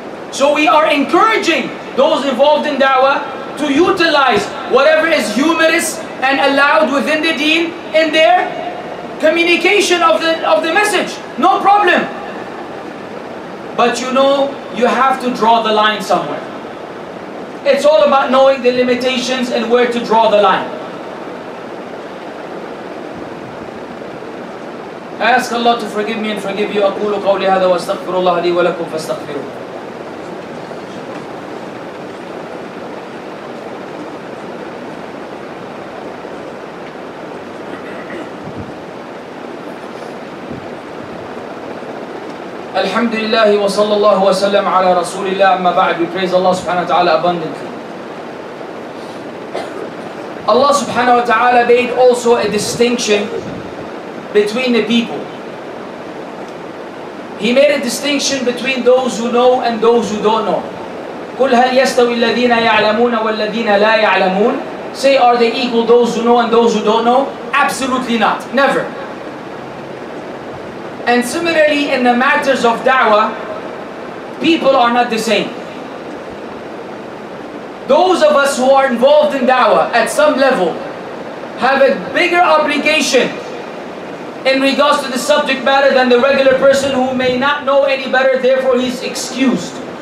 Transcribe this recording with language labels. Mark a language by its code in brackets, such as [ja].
[en] So we are encouraging those involved in da'wah to utilize whatever is humorous and allowed within the deen in their communication of the message. No problem. But you know, you have to draw the line somewhere. It's all about knowing the limitations and where to draw the line. I ask Allah to forgive me and forgive you. [ar] أقول قولي هذا واستغفر الله لي ولكم فاستغفروه. الحمد لله وصلى الله وسلم على رسول الله أما بعد. [en] We praise Allah [ar] سبحانه وتعالى abundantly. [en] Allah سبحانه وتعالى made also a distinction between the people. He made a distinction between those who know and those who don't know. [ar] قل هل يستوي الذين يعلمون والذين لا يعلمون. [en] Say, are they equal, those who know and those who don't know? Absolutely not. Never. And similarly, in the matters of da'wah, people are not the same. Those of us who are involved in da'wah at some level have a bigger obligation in regards to the subject matter than the regular person who may not know any better, therefore he's excused.